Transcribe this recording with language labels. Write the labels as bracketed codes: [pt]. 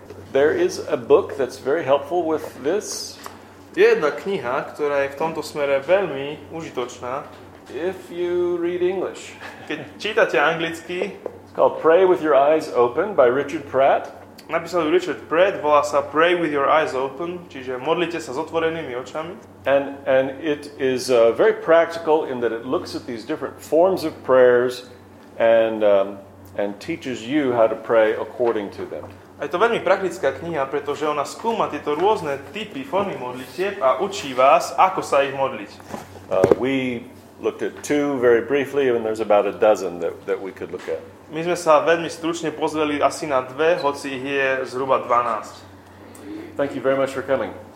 [en] There is a book that's very helpful with this. [sk] Je jedna kniha, ktorá je v tomto smere veľmi užitočná. [en] If you read English. [sk] Keď čítate anglicky. [en] It's called Pray With Your Eyes Open by Richard Pratt. [sk] Napísal Richard Pratt, volá sa Pray With Your Eyes Open, čiže modlite sa s otvorenými očami. [en] And it is very practical in that it looks at these different forms of prayers and teaches you how to pray according to them. [sk] A je to veľmi praktická kniha, pretože ona skúma tieto rôzne typy, formy modlitieb a učí vás, ako sa ich modliť. [en] We looked at two very briefly and there's about a dozen that we could look at. [sk] My sme sa veľmi stručne pozreli asi na dve, hoci ich je zhruba 12. [en] Thank you very much for coming.